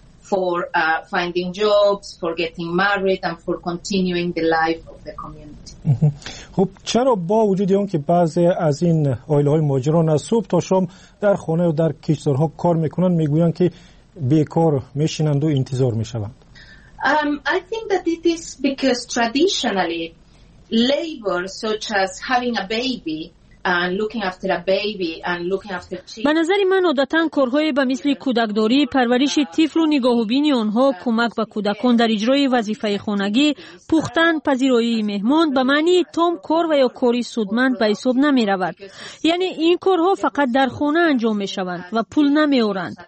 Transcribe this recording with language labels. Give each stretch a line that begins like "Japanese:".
English: For finding jobs, for getting married, and for continuing the life of the community.
Persian: خب چرا با وجود اون که بعضی از این اویلهای مهاجران از صبح تا شام در خانه و در کشتارها کار میکنن میگوین که بیکار میشینند و انتظار میشوند؟
English: I think that it is because traditionally labor such as having a baby and looking after a baby and looking after children.
Persian: به نظر من عادتاً کارهای به مثل کودکداری، پرورش طفل و نگاه و بینی آنها، کمک به کودکان در اجرای وظیفه خانگی، پختن، پذیرایی مهمان به معنی تام کار و یا کاری سودمند به حساب نمی رود. یعنی این کارها فقط در خانه انجام می شوند و پول نمی آورند.